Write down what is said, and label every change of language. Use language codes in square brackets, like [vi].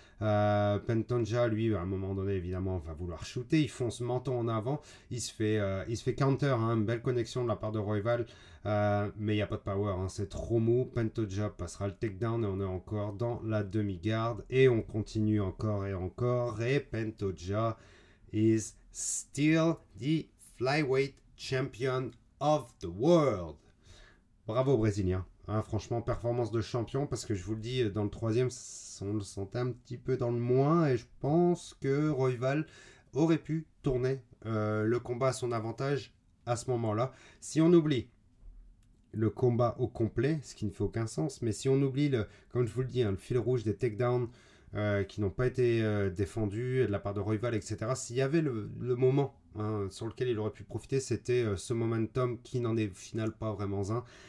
[fr] Pantoja, lui, à un moment donné, évidemment, va vouloir shooter. Il fonce menton en avant. Il se fait counter, hein, une belle connexion de la part de Royval. Mais il n'y a pas de power, hein, c'est trop mou. Pantoja passera le takedown et on est encore dans la demi-garde. Et on continue encore et encore. [en] Et Pantoja is still the flyweight champion of the world. [fr] Bravo, Brésilien. Hein, franchement, performance de champion, parce que je vous le dis, dans le troisième, on le sentait un petit peu dans le moins, et je pense que Royval aurait pu tourner le combat à son avantage à ce moment-là. Si on oublie le combat au complet, ce qui ne fait aucun sens, mais si on oublie, comme je vous le dis, hein, le fil rouge des takedowns qui n'ont pas été défendus de la part de Royval, etc., s'il y avait le moment, hein, sur lequel il aurait pu profiter, c'était ce momentum qui n'en est au final pas vraiment un.